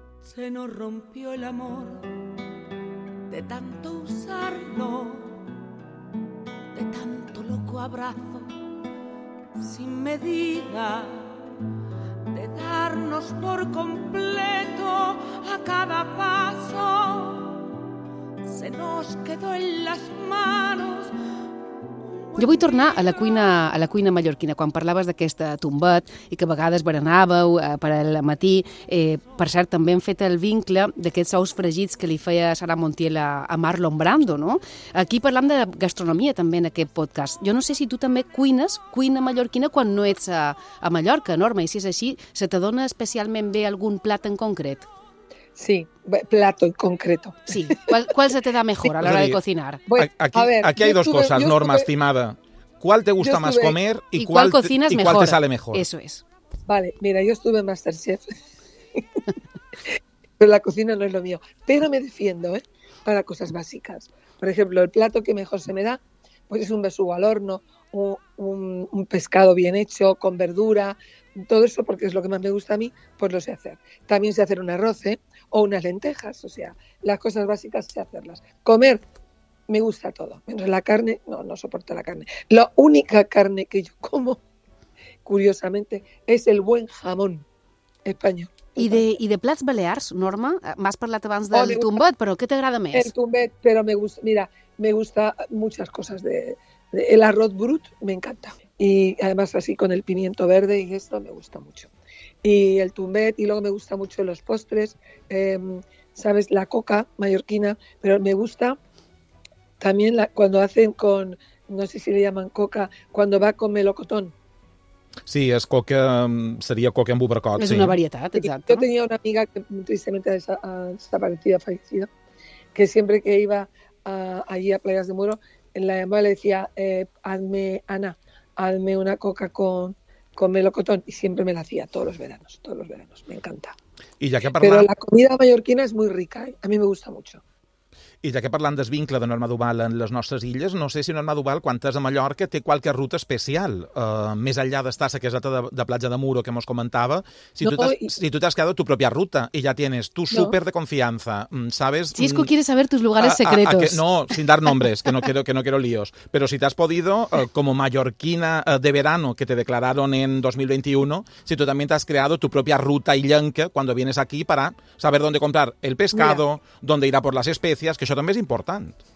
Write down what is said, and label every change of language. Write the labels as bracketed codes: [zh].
[es] Se nos rompió el amor de tanto usarlo, de tanto loco abrazo sin medida, de darnos por completo a cada paso. Se nos quedó en las manos. [ca] Jo vull tornar a la cuina mallorquina. Quan parlaves d'aquest tombet i que a vegades berenàveu per al matí, per cert, també hem fet el vincle d'aquests ous fregits que li feia Sara Montiel a Marlon Brando, no? Aquí parlam de gastronomia també en aquest podcast. Jo no sé si tu també cuines cuina mallorquina quan no ets a Mallorca, Norma, i si és així, se t'adona especialment bé algun plat en concret? [es] Sí, plato en concreto. Sí, ¿cuál se te da mejor a la hora de cocinar? Aquí hay dos cosas, Norma, estimada. ¿Cuál te gusta más comer y cuál cocinas mejor? ¿Y cuál te sale mejor? Eso es. Vale, mira, yo estuve en Masterchef, pero la cocina no es lo mío. Pero me defiendo, ¿eh? Para cosas básicas. Por ejemplo, el plato que mejor se me da, pues es un besugo al horno, un pescado bien hecho, con verdura, todo eso, porque es lo que más me gusta a mí, pues lo sé hacer. También sé hacer un arroz, o unas lentejas, o sea, las cosas básicas sé hacerlas. Comer, me gusta todo, menos la carne, no soporto la carne. La única carne que yo como, curiosamente, es el buen jamón español. [ca] I de plats balears, Norma? M'has parlat abans del tombet, però què t'agrada més? El tombet, però [es] me gusta, mira, me gusta muchas cosas de el arroz brut, me encanta. Y además así con el pimiento verde y esto me gusta mucho. Y el tumbet, y luego me gusta mucho los postres, ¿sabes? La coca mallorquina, pero me gusta también cuando hacen con, no sé si le llaman coca, cuando va con melocotón. Sí, es coca, sería coca en bubracot. Es una variedad, exacto. Yo tenía una amiga que tristemente ha desaparecido, ha fallecido, que siempre que iba allí a Playas de Muro, la llamaba y le decía, hazme, Ana, hazme una coca con melocotón, y siempre me la hacía todos los veranos, me encanta. [ca] I ja que [es] Però la comida mallorquina [ca] és molt rica, [es] a mi me gusta mucho. [ca] I ja que parlem del vincle de Norma Duval en les nostres illes, no sé si Norma Duval, quan estàs a Mallorca, té qualque ruta especial, més enllà d'estar a la caseta de Platja de Muro que mos comentava, si tu t'has quedat tu pròpia ruta i ja [es] tienes tu súper [ca] de confiança, ¿sabes? [es] Si és que quieres saber tus lugares secretos. No, sin dar nombres, que no quiero líos. Però si t'has podido, como mallorquina de verano que te declararon en 2021, [ca] si tu també t'has creat tu pròpia ruta illenca [es] quan vienes aquí para saber dónde comprar el pescado, dónde ir a por las especias, que eso también es importante.